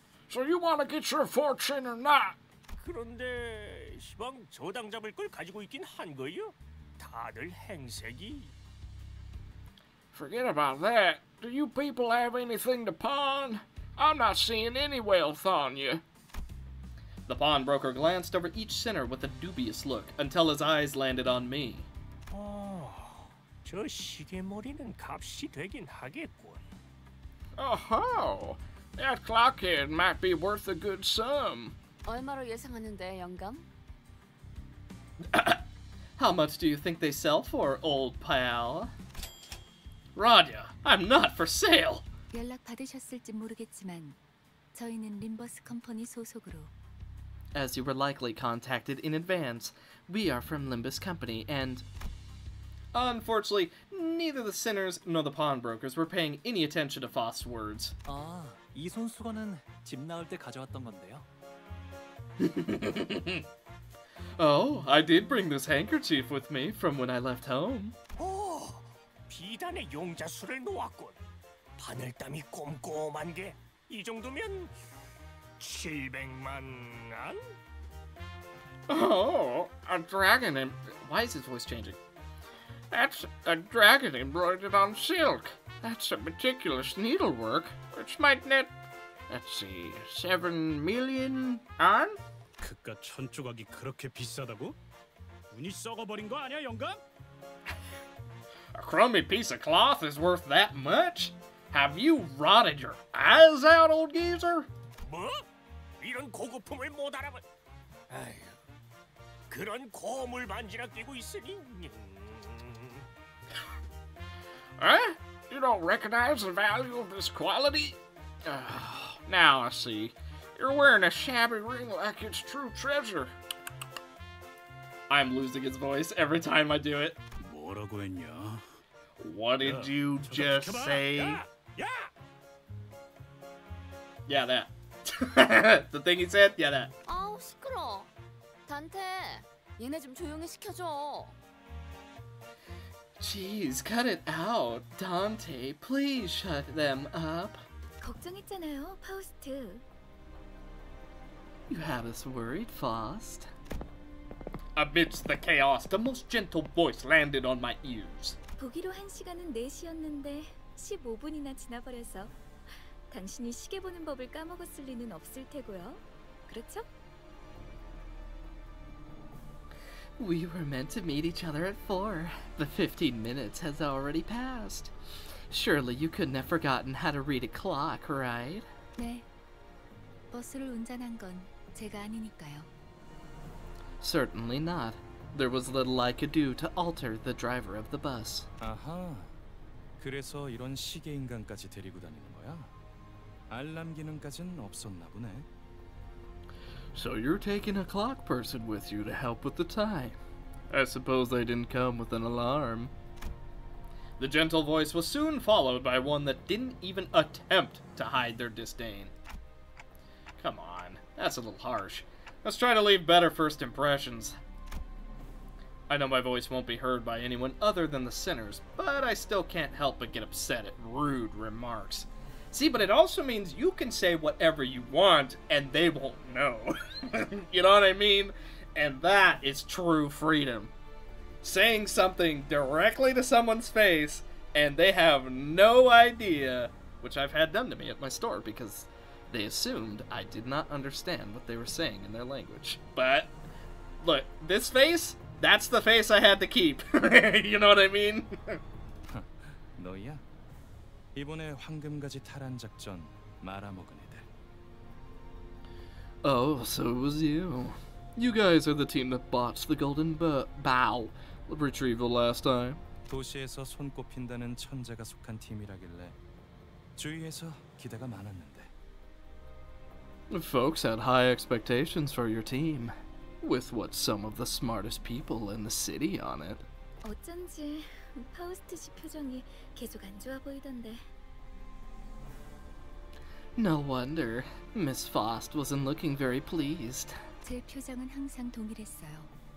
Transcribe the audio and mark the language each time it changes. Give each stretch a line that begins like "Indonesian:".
English: So you want to get your fortune or not?
Korean: 그런데 시방 저당 잡을 걸 가지고 있긴 한 거요. 다들 행색이.
English: Forget about that. Do you people have anything to pawn? I'm not seeing any wealth on you. The pawnbroker glanced over each sinner with a dubious look until his eyes landed on me.
Korean: Oh, 저 시계머리는 값이 되긴 하겠군.
English: Oh-ho! That clockhead might be worth a good sum.
Korean: 얼마로 예상하는데, 영감?
English: How much do you think they sell for, old pal? Radia, I'm not for sale!
Korean: 연락 받으셨을지 모르겠지만, 저희는 Limbus Company 소속으로.
English: As you were likely contacted in advance, we are from Limbus Company and... Unfortunately, neither the sinners nor the pawnbrokers were paying any attention to Foss's words.
Korean: Ah, 이 손수건은 집 나올 때 가져왔던 건데요.
English: Oh, I did bring this handkerchief with me from when I left home.
Korean: Oh, 비단에 용자수를 놓았군. 바늘땀이 꼼꼼한 게 이 정도면 700만 안?
English: Oh, a dragon and... Why is his voice changing? That's a dragon embroidered on silk. That's a meticulous needlework. Which might net... Let's see... 7 million... on?
Korean: 그깟 천 조각이 그렇게 비싸다고? 운이 썩어버린 거 아니야, 영감?
English: A crummy piece of cloth is worth that much? Have you rotted your eyes out, old geezer?
Korean: 뭐? 이런 고급품을 못 알아본... 아휴... 그런 고물 반지나 끼고 있으니...
English: Eh? You don't recognize the value of this quality? Now I see. You're wearing a shabby ring like it's true treasure. I'm losing his voice every time I do it.
Korean: 뭐라고 했냐?
English: What did you just say? Yeah, that. The thing he said? Yeah, that.
Korean: 아우, 시끄러. 단테, 얘네 좀 조용히 시켜줘.
English: Jeez, cut it out. Dante, please shut them up.
Korean: 걱정했잖아요, 파우스트.
English: You have us worried, Faust. Amidst the chaos, the most gentle voice landed on my ears.
Korean: 보기로 한 시간은 4시였는데 15분이나 지나버려서 당신이 시계 보는 법을 까먹었을 리는 없을 테고요. 그렇죠?
English: We were meant to meet each other at 4. The 15 minutes has already passed. Surely you couldn't have forgotten how to read a clock, right?
Korean: 네. 버스를 운전한 건 제가 아니니까요.
English: Certainly not. There was little I could do to alter the driver of the bus.
Korean: 아하. 그래서 이런 시계 인간까지 데리고 다니는 거야? 알람 기능까지는 없었나 보네.
English: So you're taking a clock person with you to help with the time. I suppose they didn't come with an alarm. The gentle voice was soon followed by one that didn't even attempt to hide their disdain. Come on, that's a little harsh. Let's try to leave better first impressions. I know my voice won't be heard by anyone other than the sinners, but I still can't help but get upset at rude remarks. See, but it also means you can say whatever you want, and they won't know. You know what I mean? And that is true freedom. Saying something directly to someone's face, and they have no idea, which I've had done to me at my store, because they assumed I did not understand what they were saying in their language. But, look, this face, that's the face I had to keep. You know what I mean?
Korean: 너야? 이번에 황금가지 탈환 작전 말아먹은 애들.
English: Oh, so it was you. You guys are the team that botched the golden bow retrieval last time.
Korean: 도시에서 손꼽힌다는 천재가 속한 팀이라길래 주위에서 기대가 많았는데.
English: Folks had high expectations for your team, with what some of the smartest people in the city on it.
Korean: 어쩐지 파우스트 씨 표정이 계속 안 좋아 보이던데.
English: No wonder. Miss Faust wasn't looking very pleased.
Korean: 제 표정은 항상 동일했어요.